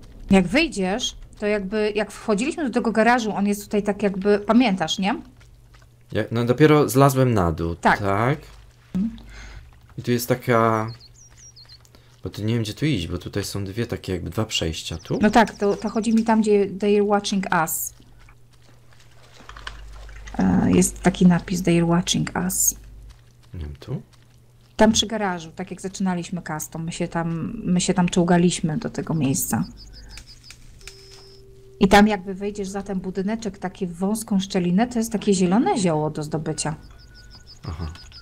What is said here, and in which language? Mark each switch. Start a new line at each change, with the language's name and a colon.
Polish: Jak wyjdziesz, to jakby, jak wchodziliśmy do tego garażu, on jest tutaj tak jakby, pamiętasz, nie? Ja, no dopiero zlazłem na dół, tak. Tak? I tu jest taka... Bo tu nie wiem, gdzie tu iść, bo tutaj są dwie takie jakby dwa przejścia, tu? No tak, to chodzi mi tam, gdzie
English: they're watching us.
Polish: Jest taki napis,
English: they're watching us.
Polish: Nie wiem, tu? Tam przy garażu, tak jak zaczynaliśmy custom, my się tam czołgaliśmy do tego miejsca. I tam jakby wejdziesz za ten budyneczek, taką wąską szczelinę, to jest takie zielone zioło do zdobycia. Aha.